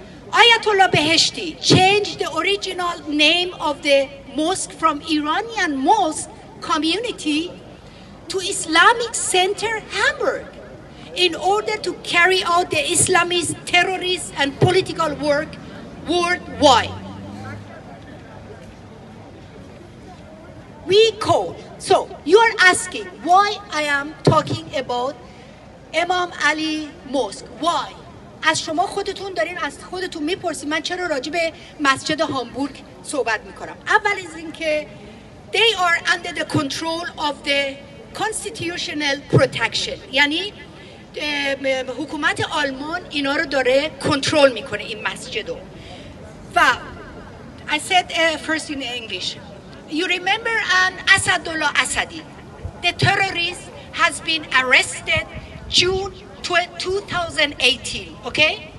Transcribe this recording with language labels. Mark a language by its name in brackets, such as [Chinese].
[English] Ayatollah Beheshti changed the original name of the mosque from Iranian mosque community to Islamic Center Hamburg in order to carry out the Islamist terrorist and political work worldwide. We call. So you are asking why I am talking about Imam Ali Mosque. Why? [Persian] از شما خودتون دارین از خودتون میپرسید من چرا راجع به مسجد هامبورگ صحبت میکنم. اول از اینکه [English] they are under the control of the constitutional protection. [Persian] یعنی حکومت آلمان اینا رو داره کنترل میکنه این مسجد رو. [English] و I said first in English. You remember an Asadullah Asadi, the terrorist has been arrested June 2018, okay?